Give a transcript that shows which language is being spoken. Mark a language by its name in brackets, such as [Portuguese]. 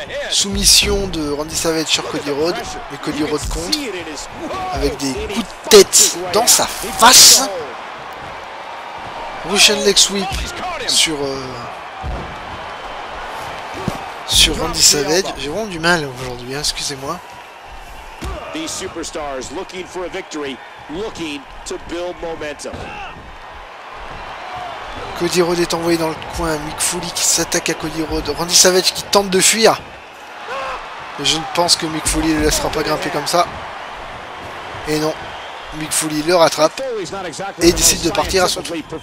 [French] Soumission de Randy Savage sur Cody Rhodes. Et Cody Rhodes contre. Avec des coups de tête dans sa face. Russian leg sweep sur. Sur Randy Savage, j'ai vraiment du mal aujourd'hui, hein, excusez-moi. [English] These superstars looking for a victory, looking to build momentum. [French] Cody Rhodes est envoyé dans le coin, Mick Foley qui s'attaque à Cody Rhodes, Randy Savage qui tente de fuir. Je ne pense que Mick Foley ne le laissera pas grimper comme ça. Et non, Mick Foley le rattrape et décide de partir à son tour.